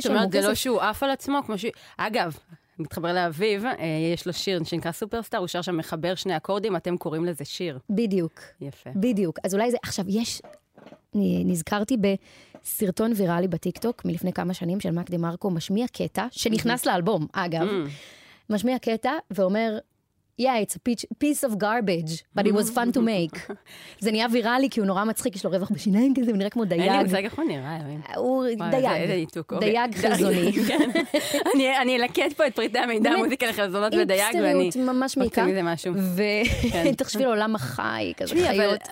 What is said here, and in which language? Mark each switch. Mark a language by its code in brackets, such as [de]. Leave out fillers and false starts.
[he] זאת אומרת, זה לא שהוא עף על עצמו, כמו ש... אגב, מתחבר לאביב, יש לו שיר שנקרא סופרסטאר, הוא שר שם מחבר שני אקורדים, אתם קוראים לזה שיר. בדיוק. יפה. בדיוק. אז אולי זה... עכשיו, יש... נזכרתי בסרטון ויראלי בטיקטוק, מלפני כמה שנים, של מקדי מרקו, משמיע קטע, שנכנס לאלבום, אגב. משמיע קטע ואומר... [en] Yeah, it's a piece of garbage, but it was fun to make. [he] זה נהיה ויראלי, כי הוא נורא מצחיק, יש לו רווח בשיניים כזה, הוא נראה כמו דייג. אין לי מושג איך הוא נראה. הוא דייג. דייג חזוני. אני אלקט פה את פריטי המידע, המוזיקה לחזונות ודייג, ואני... אינסטריות ממש מעיקה. מקטים לזה משהו. ותחשבי לעולם החי, כזה חיות.